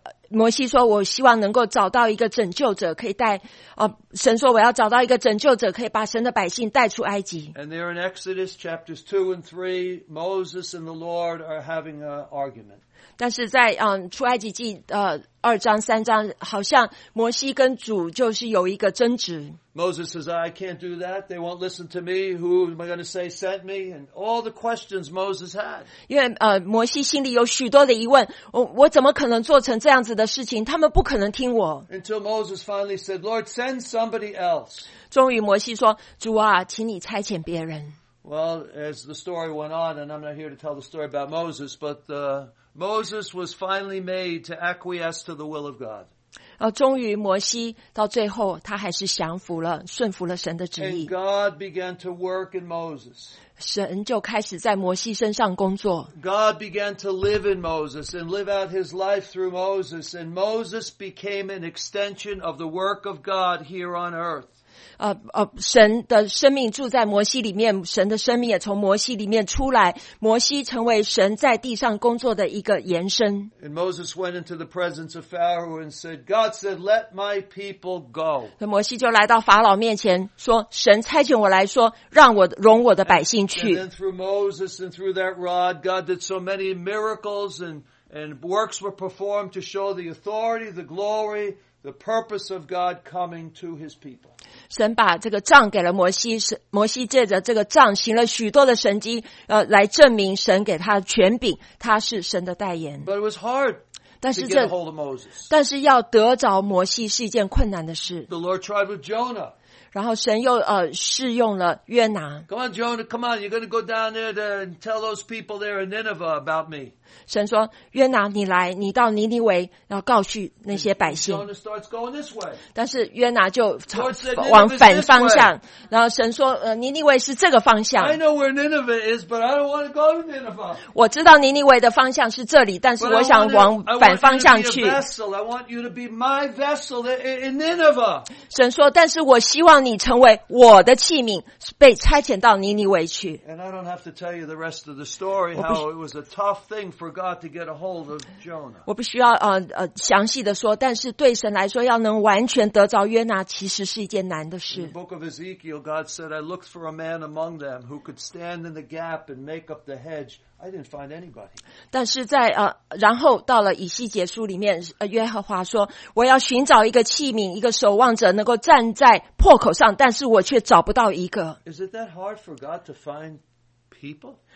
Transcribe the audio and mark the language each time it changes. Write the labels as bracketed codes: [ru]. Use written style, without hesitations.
[zh] 摩西说，我希望能够找到一个拯救者，可以带神说我要找到一个拯救者，可以把神的百姓带出埃及。 [en] And there in Exodus chapters 2 and 3, Moses and the Lord are having an argument. [zh] 但是在出埃及记二章三章，好像摩西跟主就是有一个争执。 [en] Moses says, I can't do that. They won't listen to me. Who am I going to say sent me? And all the questions Moses had. [zh] 因为摩西心里有许多的疑问，我怎么可能做成这样子的事情？他们不可能听我。 [en] Until Moses finally said, Lord, send somebody else. [zh] 终于摩西说，主啊，请你差遣别人。 [en] Well, as the story went on, and I'm not here to tell the story about Moses, but Moses was finally made to acquiesce to the will of God. [zh] 终于摩西到最后他还是降服了，顺服了神的旨意。 [en] And God began to work in Moses. [zh] 神就开始在摩西身上工作。 [en] God began to live in Moses and live out his life through Moses, and Moses became an extension of the work of God here on earth. [zh] 神的生命住在摩西里面，神的生命也从摩西里面出来，摩西成为神在地上工作的一个延伸。 [en] And Moses went into the presence of Pharaoh and said, God said, let my people go. [zh] 摩西就来到法老面前说，神差遣我来说，让我容我的百姓去。 [en] And then through Moses and through that rod, God did so many miracles and works were performed to show the authority, the glory,The purpose of God coming to his people. [zh] 神把这个杖给了摩西，摩西借着这个杖行了许多的神迹，来证明神给他权柄，他是神的代言。 [en] But it was hard to get a hold of Moses. [zh] 但是要得着摩西是一件困难的事。 [en] The Lord tried with Jonah. [zh] 然后神又试用了约拿。 [en] Come on, Jonah, come on, you're going to go down there to, and tell those people there in Nineveh about me. [zh] 神说，约拿你来，你到尼尼微，然后告诉那些百姓。但是约拿就往反方向，然后神说，尼尼微是这个方向。 [en] I know where Nineveh is, but I don't want to go to Nineveh. [zh] 我知道尼尼微的方向是这里，但是我想往反方向去。 [en] I want you to be my vessel in Nineveh. [zh] 神说，但是我希望你你成为我的器皿，被差遣到尼尼微去。 [en] And I don't have to tell you the rest of the story, how it was a tough thing for God to get a hold of Jonah. [zh] 我不需要详细的说，但是对神来说，要能完全得着约拿，其实是一件难的事。 [en] In the book of Ezekiel, God said, "I looked for a man among them who could stand in the gap and make up the hedge." I didn't find anybody. [zh] 但是在然后到了以西结书里面，约和华说，我要寻找一个器皿，一个守望者，能够站在破口上，但是我却找不到一个。 [en] Is it that hard for God to find people?